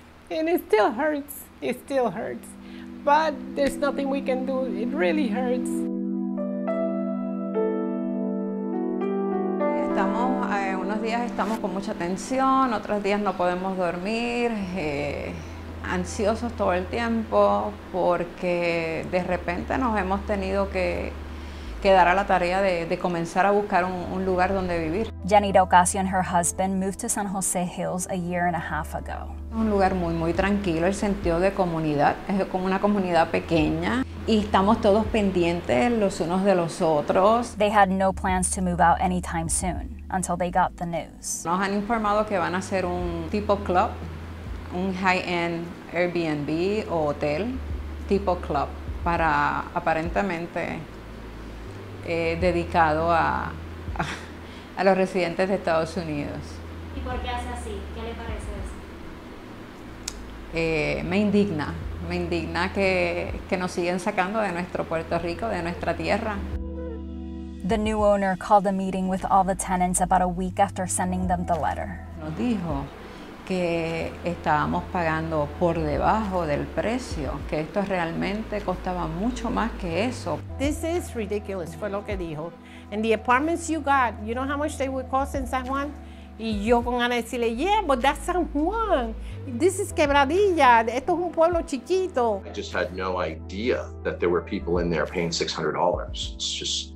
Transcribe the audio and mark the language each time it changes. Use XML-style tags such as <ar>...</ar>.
<en>And it still hurts, it still hurts. But there's nothing we can do, it really hurts.</en> <es>Estamos, unos días estamos con mucha tensión, otros días no podemos dormir, ansiosos todo el tiempo, porque de repente nos hemos tenido que dar a la tarea de comenzar a buscar un lugar donde vivir.</es> <en>Yanira Ocasio and her husband moved to San Jose Hills a year and a half ago.</en> <es>Un lugar muy, muy tranquilo, el sentido de comunidad. Es como una comunidad pequeña y estamos todos pendientes los unos de los otros.</es> <en>They had no plans to move out anytime soon until they got the news.</en> <es>Nos han informado que van a hacer un tipo club, un high-end Airbnb o hotel, tipo club, para aparentemente dedicado a los residentes de Estados Unidos. ¿Y por qué hace así? ¿Qué le parece eso? Me indigna que nos siguen sacando de nuestro Puerto Rico, de nuestra tierra.</es> <en>The new owner called a meeting with all the tenants about a week after sending them the letter.</en> <es>Nos dijo que estábamos pagando por debajo del precio, que esto realmente costaba mucho más que eso.</es> <en>This is ridiculous,</en> <es>fue lo que dijo.</es> <en>And the apartments you got, you know how much they would cost in San Juan?</en> <es>Y yo con Ana decirle,</es> <en>yeah, but that's San Juan. This is Quebradilla,</en> <es>esto es un pueblo chiquito.</es> <en>I just had no idea that there were people in there paying $600.</en>